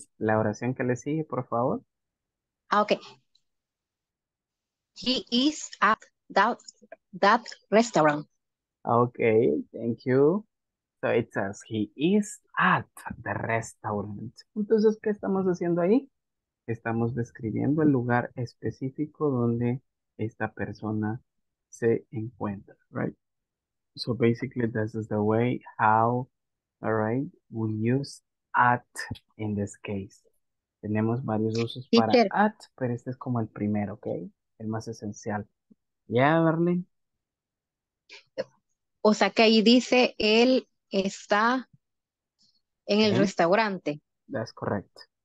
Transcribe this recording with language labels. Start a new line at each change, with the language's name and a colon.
Spanish: La oración que le sigue, por favor.
English: Okay. He is at that restaurant. Okay, thank you. So it says he is at the restaurant.
Spanish: Entonces, ¿qué estamos haciendo ahí? Estamos describiendo el lugar específico donde esta persona se encuentra, right?
English: So basically, this is the way how, all right, we use at in this case.
Spanish: Tenemos varios usos para at, pero este es como el primero, okay? El más esencial. Yeah, Darlene. O sea que ahí dice él está en el restaurante.
English: That's correct.